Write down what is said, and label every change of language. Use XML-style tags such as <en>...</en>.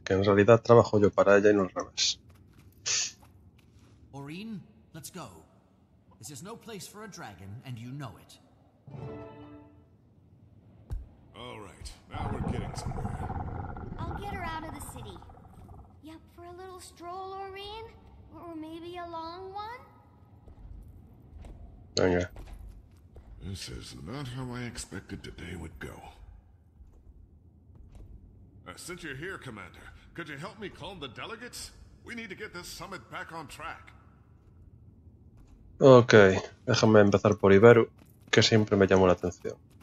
<es>Que en realidad trabajo yo para ella y no al revés.</es> <en>Orin, let's go. This is no place for a dragon, and you know it. All right, now we're getting somewhere. I'll get her out of the city. Yep, for a little stroll, Orin? Or maybe a long one?</en> <es>Venga.</es> <en>This is not how I expected today would go. Since you're here, Commander, could you help me calm the delegates? We need to get this summit back on track.</en> <es>Ok, déjame empezar por Iberu, que siempre me llamó la atención.</es>